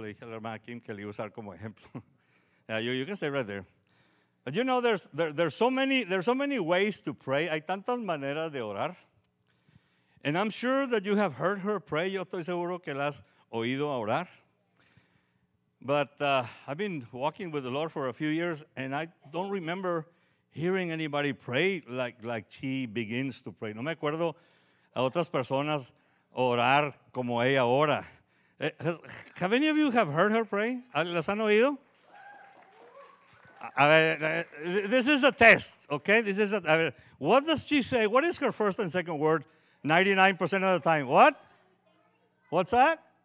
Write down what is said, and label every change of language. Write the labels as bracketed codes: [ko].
[es] Dije, hermana Kim, que le usar como ejemplo. [en] You can stay right there. But you know, there's so many ways to pray. [es] Hay tantas maneras de orar. [en] And I'm sure that you have heard her pray. [es] Yo estoy seguro que la has oído orar. [en] But I've been walking with the Lord for a few years, and I don't remember hearing anybody pray like she begins to pray. [es] No me acuerdo a otras personas orar como ella ora. [en] Have any of you have heard her pray? [es] ¿Las han oído? [en] This is a test, okay? What does she say? What is her first and second word 99% of the time? What? What's that?